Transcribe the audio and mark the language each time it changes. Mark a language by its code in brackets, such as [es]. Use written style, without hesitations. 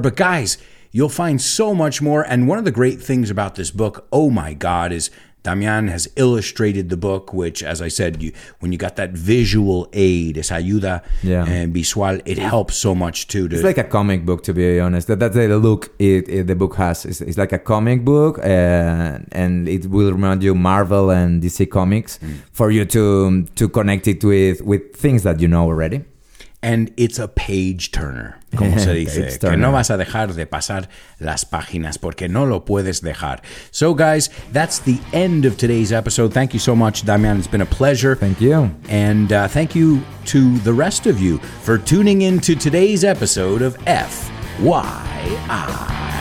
[en] But guys, you'll find so much more. And one of the great things about this book, oh my God, is Damian has illustrated the book, which, as I said, when you got that visual aid, [es] esa ayuda visual, [en] it helps so much too. It's like a comic book, to be honest. That's the look the book has. It's like a comic book, and it will remind you Marvel and DC Comics for you to connect it with things that you know already. And it's a page turner, [es] como se dice. Que no vas a dejar de pasar las páginas porque no lo puedes dejar. [en] So, guys, that's the end of today's episode. Thank you so much, Damian. It's been a pleasure. Thank you. And thank you to the rest of you for tuning in to today's episode of FYI.